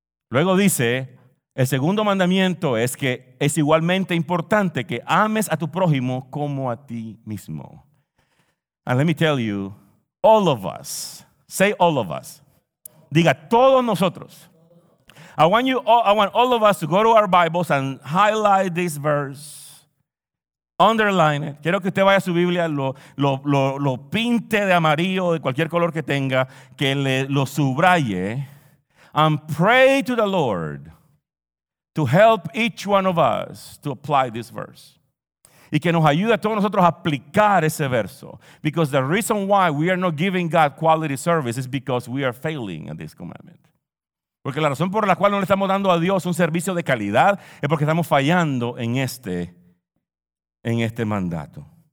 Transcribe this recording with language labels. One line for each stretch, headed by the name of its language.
Spanish: Luego dice, el segundo mandamiento es que es igualmente importante que ames a tu prójimo como a ti mismo.
English: And let me tell you, all of us, say all of us,
Spanish: diga todos nosotros.
English: I want all of us to go to our Bibles and highlight this verse. Underline it.
Spanish: Quiero que usted vaya a su Biblia, lo pinte de amarillo o de cualquier color que tenga, que le lo subraye.
English: And pray to the Lord to help each one of us to apply this verse.
Spanish: Y que nos ayude a todos nosotros a aplicar ese verso.
English: Because the reason why we are not giving God quality service is because we are failing at this commandment.
Spanish: Porque la razón por la cual no le estamos dando a Dios un servicio de calidad es porque estamos fallando en este mandato.